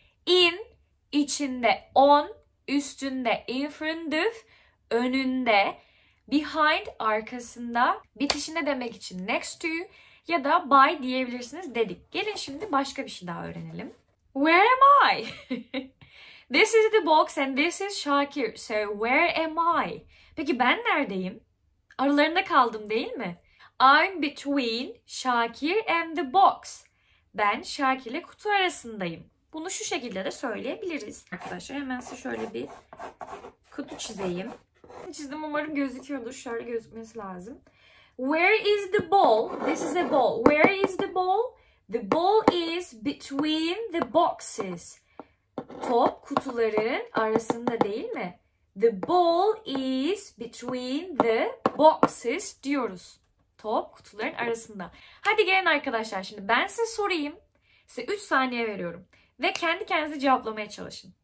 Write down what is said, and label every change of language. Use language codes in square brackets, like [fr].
[tr] In, içinde. On, üstünde. [en] In front of, [tr] önünde. Behind, arkasında, bitişinde demek için next to ya da by diyebilirsiniz dedik. Gelin şimdi başka bir şey daha öğrenelim. [en] Where am I? This is the box and this is Şakir. So where am I? [tr] Peki ben neredeyim? Aralarında kaldım değil mi? [en] I'm between Şakir and the box. [tr] Ben Şakir ile kutu arasındayım. Bunu şu şekilde de söyleyebiliriz. Arkadaşlar hemen size şöyle bir kutu çizeyim. Çizdim umarım gözüküyordur. Şöyle gözükmesi lazım. [en] Where is the ball? This is a ball. Where is the ball? The ball is between the boxes. [tr] Top kutuların arasında değil mi? [en] The ball is between the boxes [tr] diyoruz. Top kutuların arasında. Hadi gelin arkadaşlar şimdi ben size sorayım. Size 3 saniye veriyorum. Ve kendi kendinize cevaplamaya çalışın.